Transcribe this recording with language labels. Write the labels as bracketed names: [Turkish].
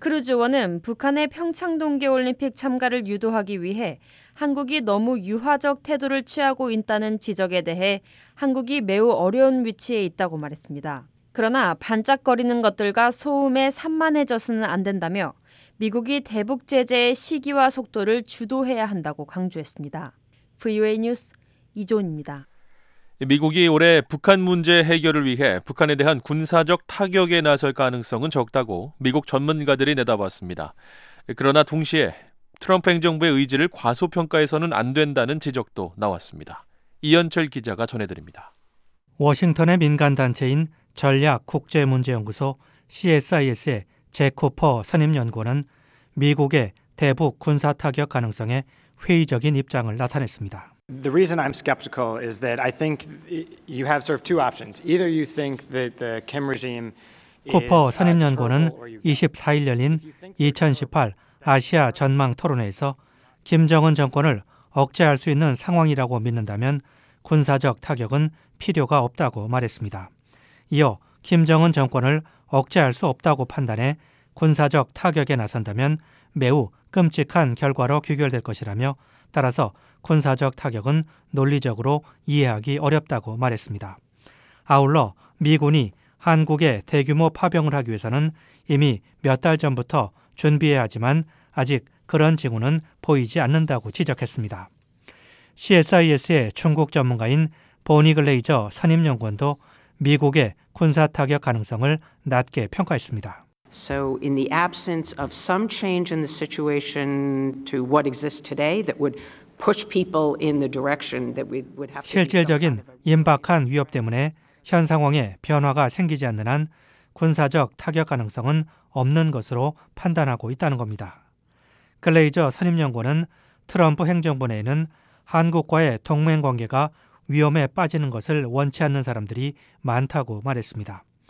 [Korean] 크루즈 의원은 북한의 평창 동계올림픽 참가를 유도하기 위해 한국이 너무 유화적 태도를 취하고 있다는 지적에 대해 한국이 매우 어려운 위치에 있다고 말했습니다. 그러나 반짝거리는 것들과 소음에 산만해져서는 안 된다며 미국이 대북 제재의 시기와 속도를 주도해야 한다고 강조했습니다. VOA 뉴스 이종입니다. 미국이 올해 북한 문제 해결을 위해 북한에 대한 군사적 타격에 나설 가능성은 적다고 미국 전문가들이 내다봤습니다. 그러나 동시에 트럼프 행정부의 의지를 과소평가해서는 안 된다는 지적도 나왔습니다. 이현철 기자가 전해드립니다. 워싱턴의 민간단체인 전략국제문제연구소 CSIS의 제 쿠퍼 선임연구원은 미국의 대북 군사 타격 가능성에 회의적인 입장을 나타냈습니다. [English] The reason I'm skeptical is that I think you have sort of two options. Either you think that the Kim regime is [Korean] 쿠퍼 선임연구원은 24일 열린 2018 아시아 전망 토론회에서 김정은 정권을 억제할 수 있는 상황이라고 믿는다면 군사적 타격은 필요가 없다고 말했습니다. 이어 김정은 정권을 억제할 수 없다고 판단해 군사적 타격에 나선다면 매우 끔찍한 결과로 귀결될 것이라며 따라서 군사적 타격은 논리적으로 이해하기 어렵다고 말했습니다. 아울러 미군이 한국에 대규모 파병을 하기 위해서는 이미 몇 달 전부터 준비해야 하지만 아직 그런 징후는 보이지 않는다고 지적했습니다. CSIS의 중국 전문가인 보니 글레이저 선임연구원도 미국의 군사 타격 가능성을 낮게 평가했습니다. [English] So in the absence of some change in the situation to what exists today that would push people in the direction that we would have to [Korean] 실질적인 임박한 위협 때문에 현 상황에 변화가 생기지 않는 한 군사적 타격 가능성은 없는 것으로 판단하고 있다는 겁니다. 글레이저 선임연구원은 트럼프 행정부 내에는 한국과의 동맹 관계가 위험에 빠지는 것을 원치 않는 사람들이 많다고 말했습니다.